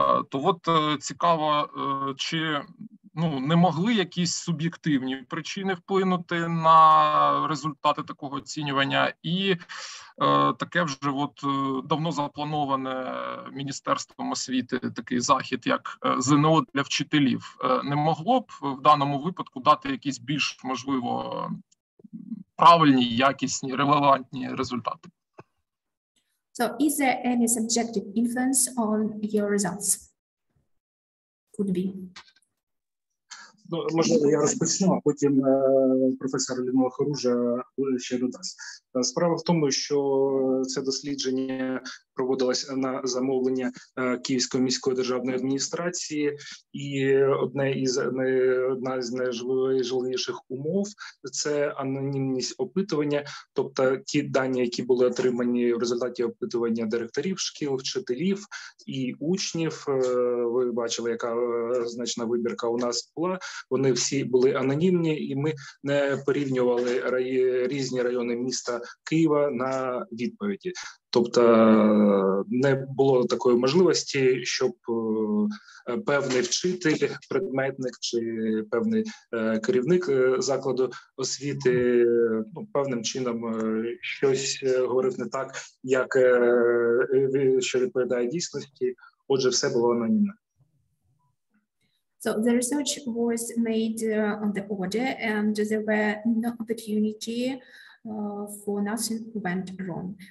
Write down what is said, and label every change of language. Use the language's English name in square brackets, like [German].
[Ukrainian] То от цікаво, чи ну, не могли якісь суб'єктивні причини вплинути на результати такого оцінювання, і таке вже от давно заплановане Міністерством освіти такий захід, як ЗНО для вчителів, не могло б в даному випадку дати якісь більш, можливо, правильні, якісні, релевантні результати? [English] So, is there any subjective influence on your results? Could be. [Ukrainian] Ну, можливо, я розпочну, а потім професор Людмила Хоружа ще додасть. Справа в тому, що це дослідження проводилось на замовлення Київської міської державної адміністрації, і одна з найжливіших умов – це анонімність опитування, тобто ті дані, які були отримані в результаті опитування директорів шкіл, вчителів і учнів, ви бачили, яка значна вибірка у нас була, вони всі були анонімні, і ми не порівнювали різні райони міста Києва на відповіді. Тобто не було такої можливості, щоб певний вчитель, предметник чи певний керівник закладу освіти ну, певним чином щось говорив не так, як що відповідає дійсності. Отже, все було анонімно. [English] So the research was made on the order, and there were no opportunity for nothing went wrong.